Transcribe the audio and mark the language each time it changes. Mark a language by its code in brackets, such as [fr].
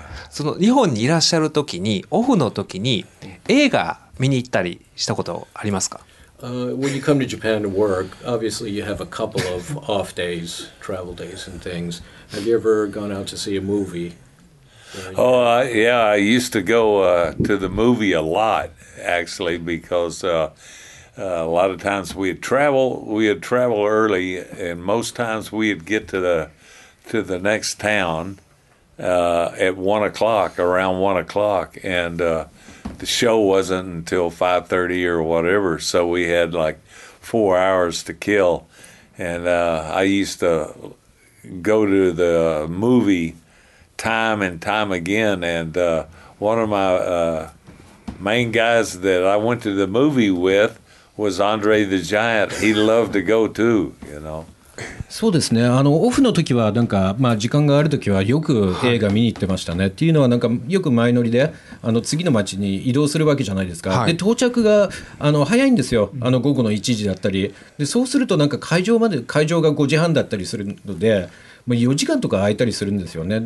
[ja] その日本にいらっしゃる時に、オフの時に映画見に行ったりしたことありますか？ [en] When you come to Japan to work, obviously you have a couple of off days, travel days and things. Have you ever gone out to see a movie? I used to go to the movie a lot, actually, because a lot of times we'd travel early, and most times we'd get to the next town at 1 o'clock, around 1 o'clock, and the show wasn't until 5:30 or whatever, so we had like 4 hours to kill. And I used to go to the movie time and time again. And one of my main guys that I went to the movie with was Andre the Giant. He loved to go too, you know. [ja] そうですね、あのオフの時はなんか、まあ、時間があるときはよく映画見に行ってましたね、はい、っていうのはなんかよく前乗りであの次の街に移動するわけじゃないですか、はい、で到着があの早いんですよ、あの午後の1時だったり、でそうするとなんか会場が5時半だったりするので、もう4時間とか空いたりするんですよね。